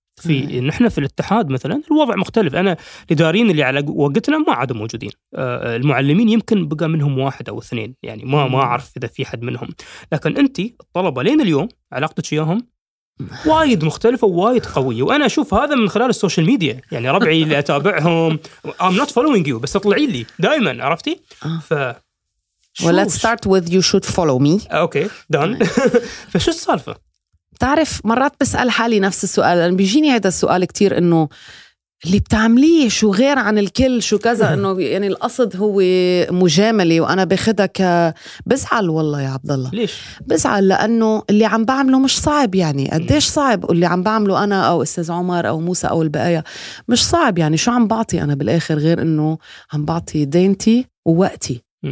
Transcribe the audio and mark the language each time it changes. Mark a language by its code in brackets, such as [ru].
[ar] في نحن في الاتحاد مثلا الوضع مختلف، أنا الإداريين اللي على وقتنا ما عادوا موجودين، المعلمين يمكن بقى منهم واحد أو اثنين يعني ما أعرف إذا في حد منهم، لكن أنت الطلبة لين اليوم علاقتك إياهم وايد مختلفة وايد قوية، وأنا أشوف هذا من خلال السوشيال ميديا، يعني ربعي اللي أتابعهم [en] I'm not following you [ar] بس أطلعي لي دائما، عرفتي؟ [en] Well let's start with you should follow me. [ar] أوكي done. فشو السالفة؟ تعرف مرات بسأل حالي نفس السؤال، لأن بيجيني هذا السؤال كتير، إنه اللي بتعمليه شو غير عن الكل شو كذا، إنه يعني القصد هو مجاملة وأنا بخدها بزعل والله يا عبد الله. ليش؟ بزعل لأنه اللي عم بعمله مش صعب، يعني قديش صعب اللي عم بعمله أنا أو أستاذ عمر أو موسى أو البقية، مش صعب يعني، شو عم بعطي أنا بالآخر غير إنه عم بعطي دينتي ووقتي